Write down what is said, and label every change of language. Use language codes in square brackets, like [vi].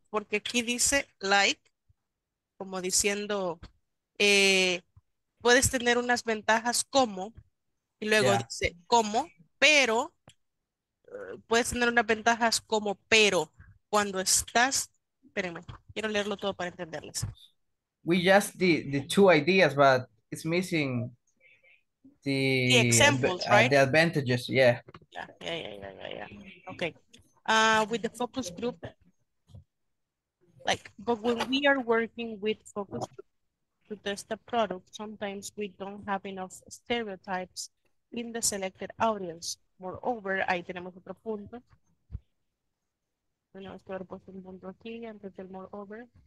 [es] Porque aquí dice like, como diciendo, puedes tener unas ventajas como, y luego yeah. Dice como, pero, puedes tener unas ventajas como, pero, cuando estás, espérenme, quiero leerlo todo para entenderles. [en] We just did the two ideas, but it's missing the examples, right? The advantages, yeah. Yeah. Okay. With the focus group, like, but when we are working with focus to test the product, sometimes we don't have enough stereotypes in the selected audience. [es] Moreover, ahí tenemos otro punto. Tenemos que haber puesto un punto aquí antes del moreover.